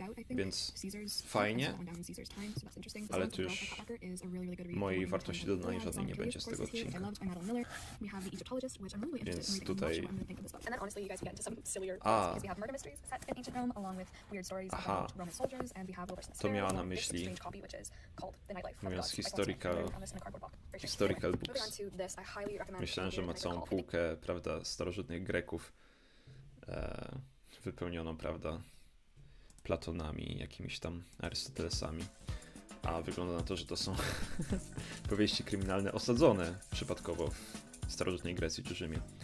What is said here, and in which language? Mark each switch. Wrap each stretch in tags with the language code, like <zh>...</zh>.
<pl>Więc fajnie, ale to już mojej wartości dodanej żadnej nie będzie z tego odcinka.</pl> <en>Have the Egyptologist, which I'm really interested in</en> <pl>tutaj</pl> <en>reading, which I'm really thinking of this book. And then honestly, you guys get into some sillier books because we have murder mysteries set in ancient Rome, along with weird stories about Roman soldiers, and we have Wilbur Smith's Fair, and this strange copy, which is called The Nightlife of the Gods. Historical books. Moving on to this, I highly recommend</en> <pl>myślałem, że ma całą półkę, prawda, starożytnych Greków, wypełnioną, prawda, Platonami, jakimiś tam Arystotelesami. A wygląda na to, że to są powieści kryminalne osadzone przypadkowo w starożytnej Grecji czy Rzymie.</pl>